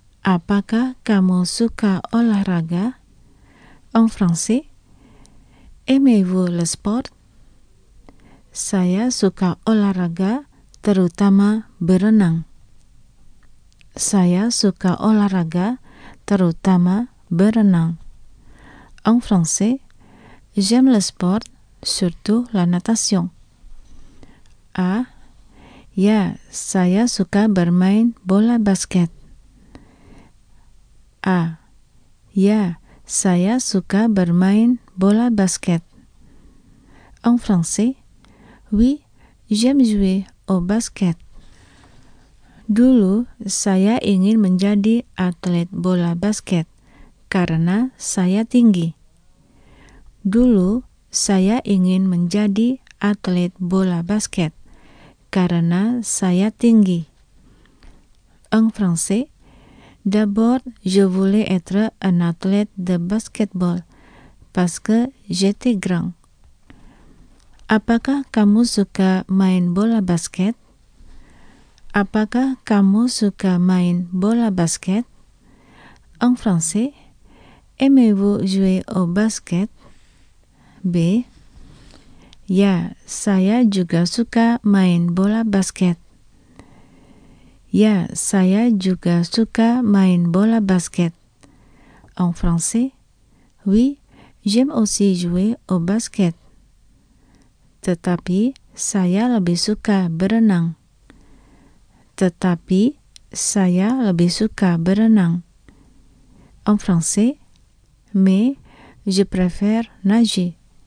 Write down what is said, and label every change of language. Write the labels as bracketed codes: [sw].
[id] Apakah kamu suka olahraga? [fr] En français, aimez-vous le sport? [id] Saya suka olahraga, terutama berenang. Saya suka olahraga, terutama berenang. [fr] En français, j'aime le sport, surtout la natation. [id] A. Ya, saya suka bermain bola basket. A. Ya, saya suka bermain bola basket. [fr] En français, oui, j'aime jouer au basket. [id] Dulu, saya ingin menjadi atlet bola basket karena saya tinggi. Dulu, saya ingin menjadi atlet bola basket karena saya tinggi. [fr] En français, d'abord, je voulais être un athlète de basketball parce que j'étais grand. [id] Apakah kamu suka main bola basket? Apakah kamu suka main bola basket? [fr] En français, aimez-vous jouer au basket? B. [id] Ya, saya juga suka main bola basket. Ya, saya juga suka main bola basket. [fr] En français, oui, j'aime aussi jouer au basket. [id] Tetapi, saya lebih suka berenang. Tetapi, saya lebih suka berenang. [fr] En français, mais je préfère nager.